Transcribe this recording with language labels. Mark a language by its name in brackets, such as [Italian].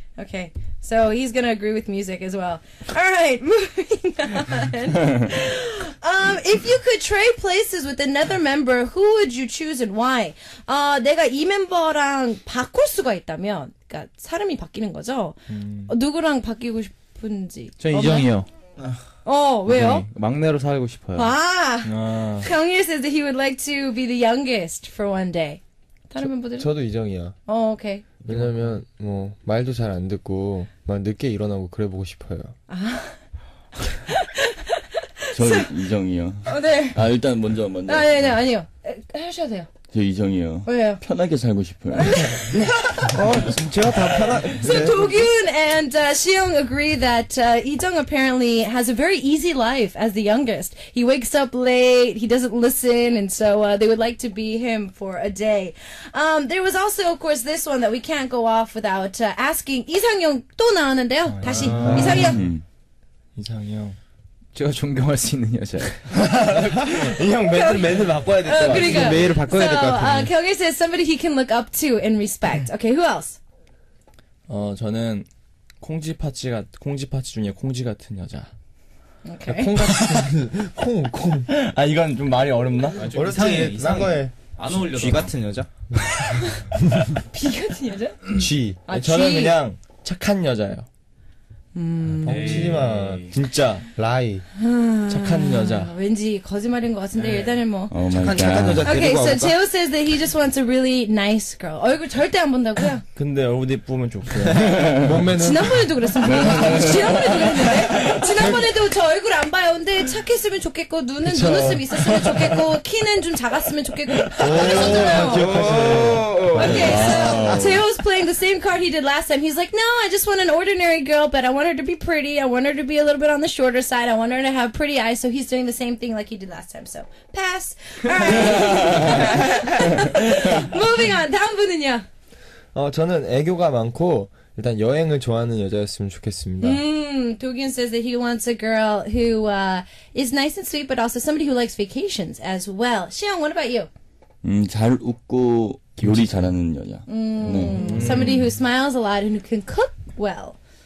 [English] Okay, so he's gonna agree with music as well. All right, moving on. If you could trade places with another member, who would you choose and why? [Korean] 내가 이 멤버랑 바꿀 수가 있다면, 그러니까 사람이 바뀌는 거죠. 누구랑 바뀌고 싶은지. 저 이정이요. 왜요? 막내로 살고 싶어요. [English] 아, 경일 says that he would like to be the youngest for one day. [Korean] 다른 멤버들? 저도 이정이야. 오케이. 왜냐면 뭐 말도 잘 안 듣고 막 늦게 일어나고 그래 보고 싶어요. 아. 저 이정이요. 네. 아 일단 먼저. 아니요 네, 아니요 하셔도 돼요. 저 이정이요. 왜요? 편하게 살고 싶어요. 제가 다 편하. [English] So Do-kyun and Siyoung agree that 이정 apparently has a very easy life as the youngest. He wakes up late. He doesn't listen, and so they would like to be him for a day. There was also, of course, this one that we can't go off without asking. [Korean] 이상형 또 나왔는데요. 다시 이상형. 이상형. 제가 존경할 수 있는 여자. 이 형 매일 바꿔야 될 것 같아. 매일을 바꿔야 될 것 같아. [English] Kyung Hee says somebody he can look up to and respect. Okay, who else? [Korean] 저는 콩쥐파츠 중에 콩쥐 같은 여자. [English] Okay. [Korean] 콩 같은 콩. 아 이건 좀 말이 어렵나? 어렵지. 이상 거에 안 어울려. 쥐 같은 여자? 비 같은 여자? 쥐. 아, 저는 쥐. 그냥 착한 여자예요. 뻥치지마. 진짜 라이. 착한 여자. 왠지 거짓말인 것 같은데 일단은 뭐 oh 착한 여자 데리고 okay, 와볼까? [English] Okay, so Jeo says that he just wants a really nice girl. [Korean] 얼굴 절대 안 본다고요? 근데 얼굴 예쁘면 좋고요. 몸매는 지난번에도 그랬었는데 지난번에도 저 얼굴 안 봐요. 근데 착했으면 좋겠고 눈은 그쵸. 눈웃음 있었으면 좋겠고 키는 좀 작았으면 좋겠고 귀여워. [English] Okay, so Jeo's playing the same card he did last time. He's like, no, I just want an ordinary girl, but I want her to be pretty. I want her to be a little bit on the shorter side. I want her to have pretty eyes. So he's doing the same thing like he did last time. So pass. All right. Moving on. [Korean] 다음 분은요. 저는 애교가 많고 일단 여행을 좋아하는 여자였으면 좋겠습니다. [English] Dogyun says that he wants a girl who is nice and sweet, but also somebody who likes vacations as well. Seong, what about you? [Korean] 잘 웃고 요리 잘하는 여자. [English] Somebody who smiles a lot and who can cook well.